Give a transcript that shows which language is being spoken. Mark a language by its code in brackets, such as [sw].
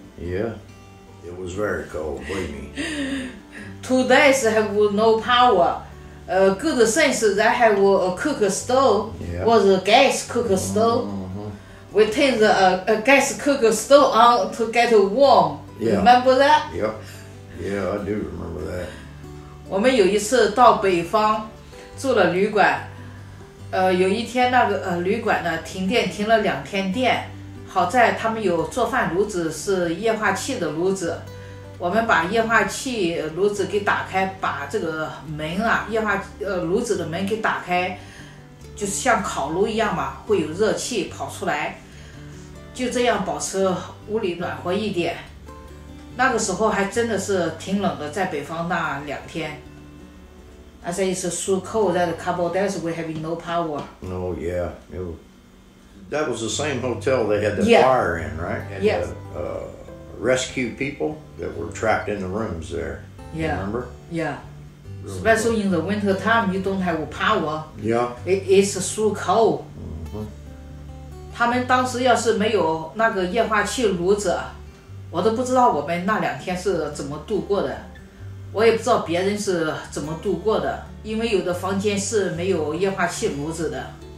[en] Yeah. It was very cold, believe me. 2 days have no power. Good sense that have a cook stove. Yeah. Was a gas cook stove.、 Mm-hmm. We turned the gas cook stove on to get warm. Yeah. Remember that? Yep. Yeah, I do remember that. [zh] 我们有一次到北方住了旅馆，有一天那个旅馆呢停电，停了两天电。好在他们有做饭炉子，是液化气的炉子。我们把液化气炉子给打开，把这个门啊，液化炉子的门给打开，就是像烤炉一样嘛，会有热气跑出来，就这样保持屋里暖和一点。那个时候还真的是挺冷的，在北方那两天。 [en] I said it's so cold that a couple of days we having no power. Oh yeah, it was, that was the same hotel they had the、 yeah. fire in, right? And yes. The, rescue people that were trapped in the rooms there. Yeah. Remember? Yeah. Especially in the winter time, you don't have power. Yeah. It's so cold. [zh] 他们当时要是没有那个液化气炉子。我都不知道我们那两天是怎么度过的，我也不知道别人是怎么度过的，因为有的房间是没有液化气炉子的。